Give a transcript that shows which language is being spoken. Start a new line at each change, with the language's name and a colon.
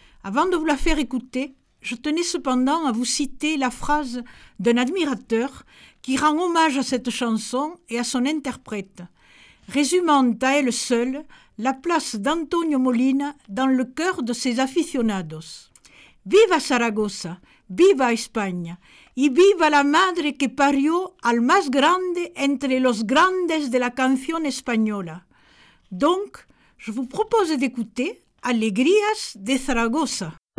French: Avant de vous la faire écouter, je tenais cependant à vous citer la phrase d'un admirateur qui rend hommage à cette chanson et à son interprète, résumant à elle seule la place d'Antonio Molina dans le cœur de ses aficionados.
Spanish: Viva Saragosse! Viva España y viva la madre que parió al más grande entre los grandes de la canción española.
French: Donc, je vous propose d'écouter Alegrías de Zaragoza.